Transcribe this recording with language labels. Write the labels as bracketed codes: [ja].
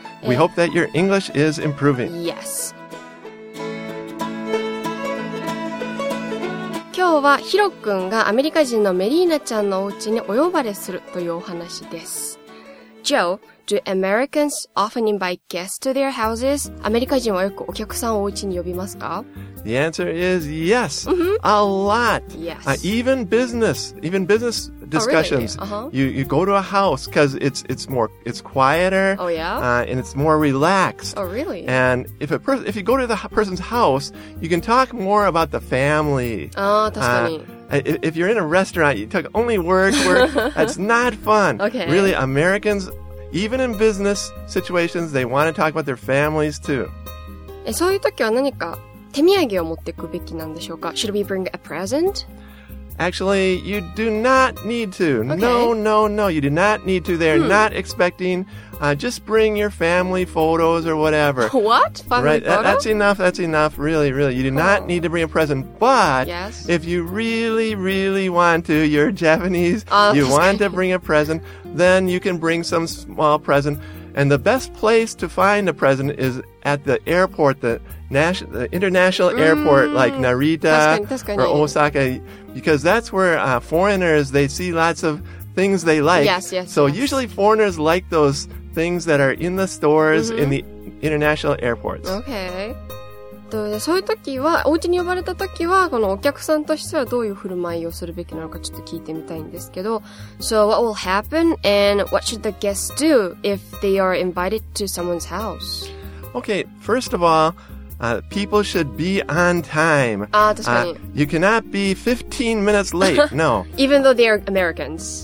[en] We hope that your English is improving. Yes. [ja] 今日はヒロ君がアメリカ人のメリーナちゃんのお家にお呼ばれするというお話です。 [en] Joe, do Americans often invite guests to their houses? [ja] アメリカ人はよくお客さんをお家に呼びますか? [en] The answer is yes,、mm-hmm. a lot. Yes.、 Even business discussions,、 oh, really? uh-huh. you go to a house because it's quieter. Oh, yeah?、 And it's more relaxed. Oh, really? And if you go to the person's house, you can talk more about the family. [ja] Oh, 確かに。 [en] If you're in a restaurant, you talk only work, that's not fun. Okay. Really, Americans, even in business situations, they want to talk about their families too. [ja] そういう時は何か手土産を持っていくべきなんでしょうか? [en] Should we bring a present? Actually, you do not need to.、 Okay. No. You do not need to. They're、hmm. not expecting. Just bring your family photos or whatever. What? Family、 right? photos? That's enough. Really. You do、oh. not need to bring a present. But、 yes. if you really, really want to, you're Japanese,、you want to bring a present, then you can bring some small present. And the best place to find a present is at the airport, the international airport、mm. like Narita [ja] 確かに [en] or Osaka. Because that's where、foreigners, they see lots of things they like. Yes. Usually foreigners like those things that are in the stores、mm-hmm. in the international airports. Okay. [ja] そういう時は、お家に呼ばれた時は、このお客さんとしてはどういう振る舞いをするべきなのかちょっと聞いてみたいんですけど。 [en] So what will happen and what should the guests do if they are invited to someone's house? Okay, first of all,people should be on time. [ja] Ah, 確かに。 [en] You cannot be 15 minutes late, no. Even though they are Americans.